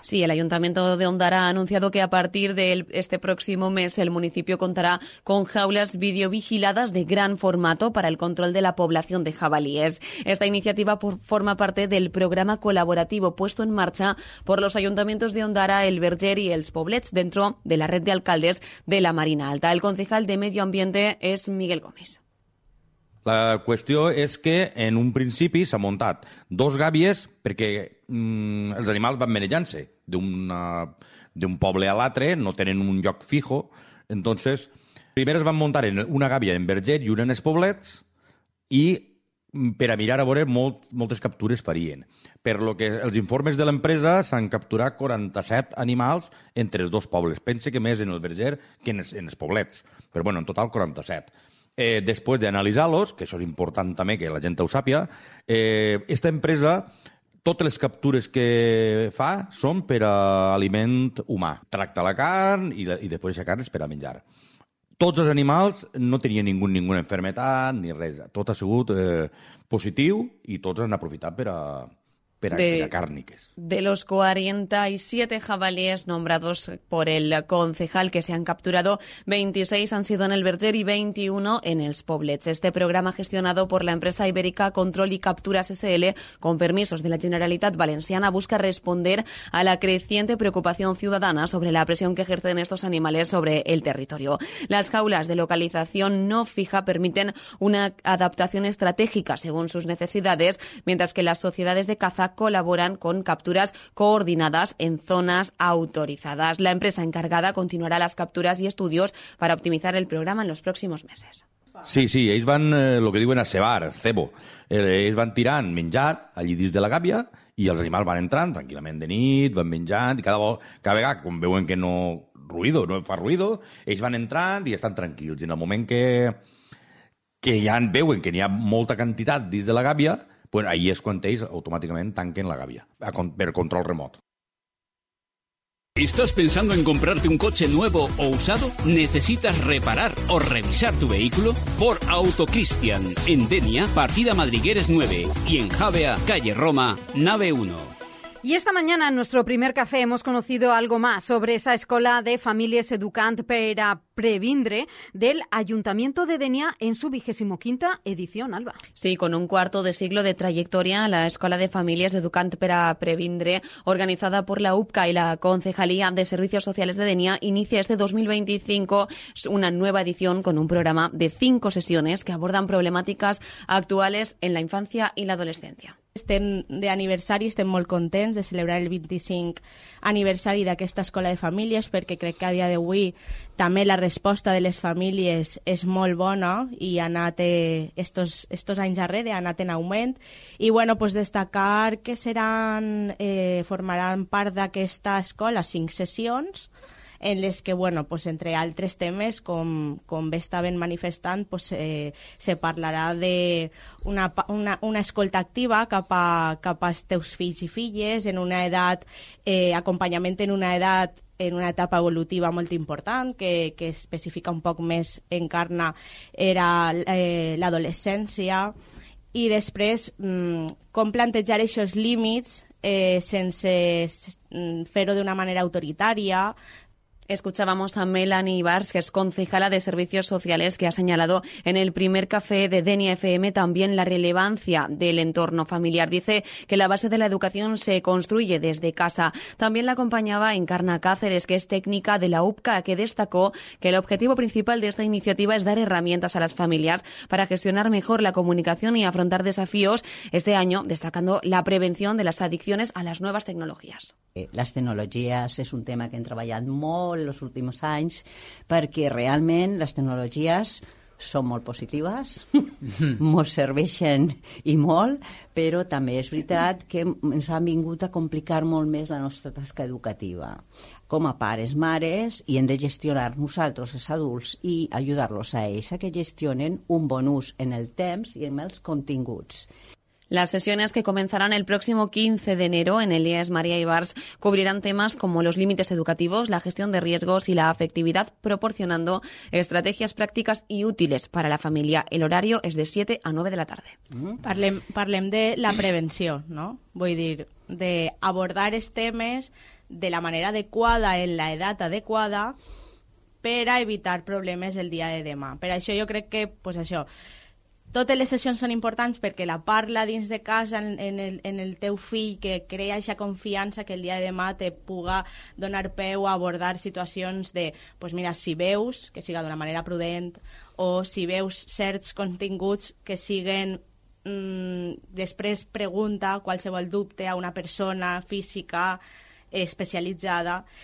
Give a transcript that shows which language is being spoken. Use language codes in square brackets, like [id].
[es] Sí, el Ayuntamiento de Ondara ha anunciado que a partir de este próximo mes el municipio contará con jaulas videovigiladas de gran formato para el control de la población de jabalíes. Esta iniciativa forma parte del programa colaborativo puesto en marcha por los ayuntamientos de Ondara, El Verger y El Poblets dentro de la red de alcaldes de la Marina Alta. El concejal de Medio Ambiente es Miguel Gómez. [ca] La qüestió és que en un principi s'ha muntat 2 gàbies perquè els animals van manejant-se d'un poble a l'altre, no tenen un lloc fijo. Entonces, primer es van muntar en una gàbia en Verger i una en Poblets i per a mirar a veure moltes captures farien. Per lo que els informes de l'empresa s'han capturat 47 animals entre els 2 pobles. Pense que més en el Verger que en els Poblets. Però bueno, en total 47. Després d'analitzar-los, que això és important també que la gent ho sàpia, esta empresa, totes les captures que fa són per a aliment humà. Tracta la carn i després aquesta carn és per a menjar. Tots els animals no tenien ninguna enfermetat ni res. Tot ha sigut positiu i tots han aprofitat per a cárniques. [es] De los 47 jabalíes nombrados por el concejal que se han capturado, 26 han sido en el Verger y 21 en els Poblets. Este programa, gestionado por la empresa ibérica Control y Capturas SL, con permisos de la Generalitat Valenciana, busca responder a la creciente preocupación ciudadana sobre la presión que ejercen estos animales sobre el territorio. Las jaulas de localización no fija permiten una adaptación estratégica según sus necesidades, mientras que las sociedades de caza colaboran con capturas coordinadas en zonas autorizadas. La empresa encargada continuará las capturas y estudios para optimizar el programa en los próximos meses. [ca] Sí, sí, ells van, lo que diuen, a cebar, el cebo. Ells van tirant menjar allí dins de la gàbia i els animals van entrant tranquil·lament de nit, van menjant, i cada vegada, com veuen que no ruido, no fa ruido, ells van entrant i estan tranquils. I en el moment que ja veuen que n'hi ha molta quantitat dins de la gàbia, bueno, [es] ahí es cuando ellos automáticamente [ca] tanquen la gavia, per control remoto. [es] ¿Estás pensando en comprarte un coche nuevo o usado? ¿Necesitas reparar o revisar tu vehículo? Por Autocristian, en Denia, partida Madrigueres 9, y en Javea, calle Roma, nave 1. Y esta mañana en nuestro primer café hemos conocido algo más sobre esa escuela de familias educant per a previndre del Ayuntamiento de Denia en su 25ª edición, Alba. Sí, con un cuarto de siglo de trayectoria, la escuela de familias educant per a previndre, organizada por la UPCA y la Concejalía de Servicios Sociales de Denia, inicia este 2025 una nueva edición con un programa de 5 sesiones que abordan problemáticas actuales en la infancia y la adolescencia. [ca] Estem de aniversari, estem molt contents de celebrar el 25 aniversari d'aquesta escola de famílies, perquè crec que a dia d'avui també la resposta de les famílies és molt bona i ha anat estos anys darrere, ha anat en augment. I bueno, pues destacar que formaran part d'aquesta escola 5 sessions en les que, bueno, pues entre altres temes, com bé està ben manifestant, pues, se parlarà de una escolta activa cap als teus fills i filles en una edat, acompanyament en una edat, en una etapa evolutiva molt important que especifica un poc més, encarna, era l'adolescència. I després, com plantejar aquests límits sense fer-ho d'una manera autoritària. [es] Escuchábamos a Melanie Bars, que es concejala de Servicios Sociales, que ha señalado en el primer café de Denia FM también la relevancia del entorno familiar. Dice que la base de la educación se construye desde casa. También la acompañaba Encarna Cáceres, que es técnica de la UPCA, que destacó que el objetivo principal de esta iniciativa es dar herramientas a las familias para gestionar mejor la comunicación y afrontar desafíos este año, destacando la prevención de las adicciones a las nuevas tecnologías. [ca] Les tecnologies és un tema que hem treballat molt els últims anys, perquè realment les tecnologies són molt positives, ens serveixen i molt, però també és veritat que ens han vingut a complicar molt més la nostra tasca educativa. Com a pares, mares, i hem de gestionar nosaltres, els adults, i ajudar-los a ells a que gestionen un bon ús en el temps i en els continguts. [es] Las sesiones, que comenzarán el próximo 15 de enero en Elías María Ibars, cubrirán temas como los límites educativos, la gestión de riesgos y la afectividad, proporcionando estrategias prácticas y útiles para la familia. El horario es de 7 a 9 de la tarde. [ca] Parlem de la [es] prevención, ¿no? Voy a decir, de abordar estos temas de la manera adecuada, en la edad adecuada, para evitar problemas el día de demà. Pero eso yo creo que, pues eso... [ca] Totes les sessions són importants perquè la parla dins de casa en el teu fill, que crea aquesta confiança que el dia de demà te puga donar peu a abordar situacions de, pues mira, si veus, que siga d'una manera prudent, o si veus certs continguts que siguen, després pregunta qualsevol dubte a una persona física especialitzada.